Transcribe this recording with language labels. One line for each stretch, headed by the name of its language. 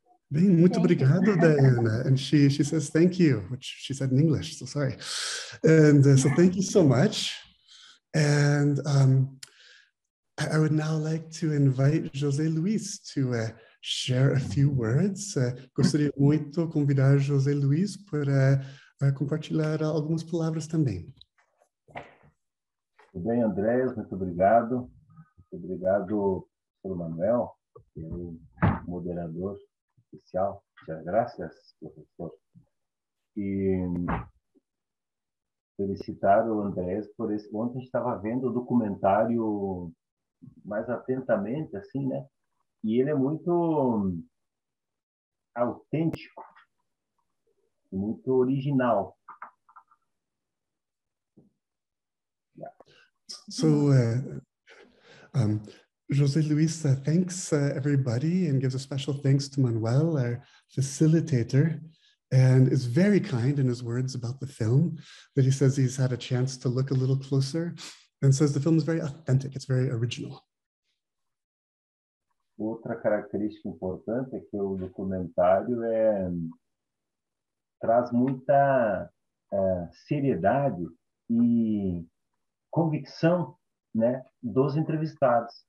Portuguese: Bem, muito obrigado,
English: Diana. And she says thank you, which she said in English, so sorry. And so thank you so much. And I would now like to invite José Luis to share a few words.
Portuguese: Gostaria muito convidar José Luis para compartilhar algumas palavras também. Tudo bem, André, muito obrigado. Muito obrigado, professor Manuel, pelo moderador oficial.
Spanish: Muchas gracias,
Portuguese: professor. E felicitar o André por esse. Ontem estava vendo o documentário mais atentamente, assim, né? E ele é muito autêntico, muito original.
English: So, José Luis thanks everybody and gives a special thanks to Manuel, our facilitator, and is very kind in his words about the film, that he says he's had a chance to look a little closer, and says the film is very authentic, it's very original.
Portuguese: Outra característica importante é que o documentário traz muita seriedade e convicção, né, dos entrevistados.